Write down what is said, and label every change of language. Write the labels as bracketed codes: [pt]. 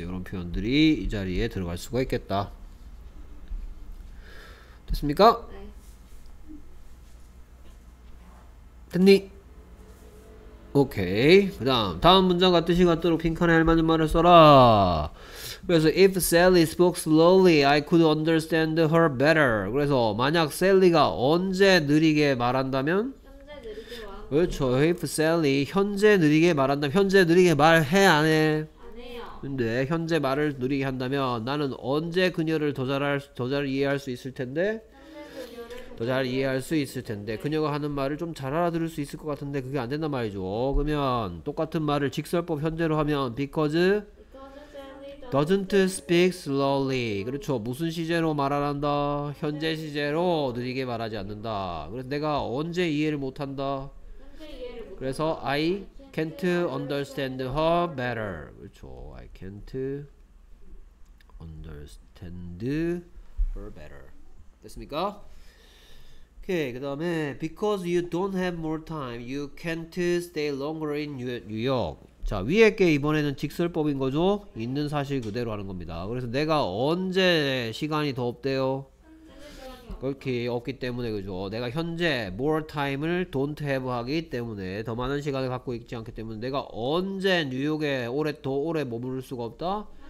[ko] 이런 표현들이 이 자리에 들어갈 수가 있겠다. 됐습니까? 네. 됐니? 오케이. 그 다음 문장과 뜻이 같도록 빈칸에 알맞은 말을 써라. 그래서 [en] if Sally spoke slowly, I could understand her better. [ko] 그래서 만약 셀리가 언제 느리게 말한다면? 현재 느리게 말한다. 그렇죠. [en] if Sally [ko] 현재 느리게 말한다면 현재 느리게 말해 안 해? 안 해요. 근데 현재 말을 느리게 한다면 나는 언제 그녀를 더 잘 이해할 수 있을 텐데? 더 잘 이해할 수 있을 텐데 그녀가 하는 말을 좀 잘 알아들을 수 있을 것 같은데 그게 안 된단 말이죠. 그러면 똑같은 말을 직설법 현재로 하면 [en] because doesn't speak slowly. [ko] 그렇죠. 무슨 시제로 말 안 한다? 현재 시제로 느리게 말하지 않는다. 그래서 내가 언제 이해를 못 한다? 그래서 [en] I can't understand her better. [ko] 그렇죠. [en] I can't understand her better. [ko] 됐습니까? 오케이. 그 다음에 [en] because you don't have more time, you can't stay longer in New York. [ko] 자, 위에 게 이번에는 직설법인 거죠? 있는 사실 그대로 하는 겁니다. 그래서 내가 언제 시간이 더 없대요? 그렇게 없기 때문에 그죠. 내가 현재 [en] more time [ko] 을 [en] don't have [ko] 하기 때문에 더 많은 시간을 갖고 있지 않기 때문에 내가 언제 뉴욕에 더 오래 머무를 수가 없다?